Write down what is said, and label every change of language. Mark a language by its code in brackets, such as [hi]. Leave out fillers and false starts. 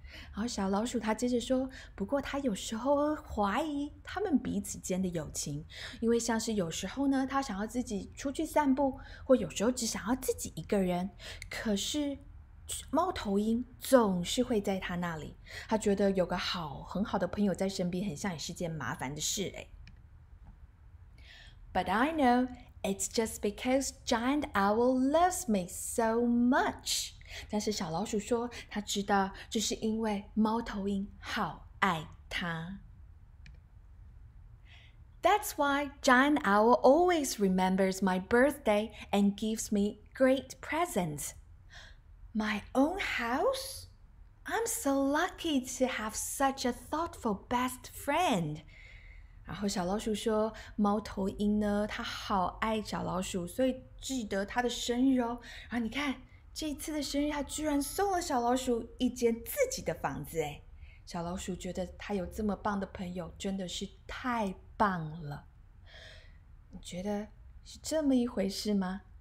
[zh] 好，小老鼠他接着说，不过他有时候怀疑他们彼此间的友情，因为像是有时候呢，他想要自己出去散步，或有时候只想要自己一个人，可是猫头鹰总是会在他那里，他觉得有个很好的朋友在身边，很像也是件麻烦的事诶。 [en] But I know it's just because Giant Owl loves me so much. [zh] 但是小老鼠说，他知道这是因为猫头鹰好爱他。 [en] That's why Giant Owl always remembers my birthday and gives me great presents. My own house? I'm so lucky to have such a thoughtful best friend. [zh] 然后小老鼠说，猫头鹰呢，他好爱小老鼠，所以记得他的生日哦。然后你看。这次的生日，他居然送了小老鼠一间自己的房子哎！小老鼠觉得他有这么棒的朋友，真的是太棒了。你觉得是这么一回事吗？